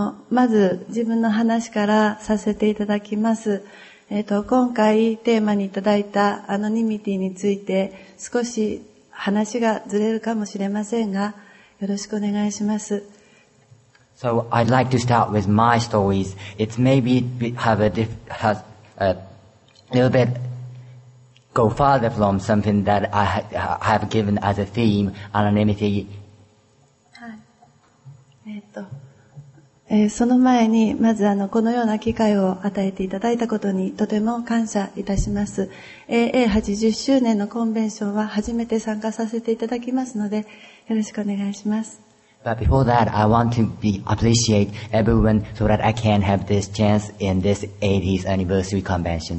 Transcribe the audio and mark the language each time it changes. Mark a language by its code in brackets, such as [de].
[ja] まず自分の話からさせていただきます。今回テーマにいただいたアノニミティについて少し話がずれるかもしれませんが、よろしくお願いします。 [en] So I'd like to start with my stories. It maybe have a has a little bit go farther from something that I have given as a theme, anonymity. [ja] はい。その前にまずこのような機会を与えていただいたことにとても感謝いたします。 AA80 周年のコンベンションは初めて参加させていただきますので、よろしくお願いします。 [en] But before that, I want to appreciate everyone so that I can have this chance in this 80th anniversary convention.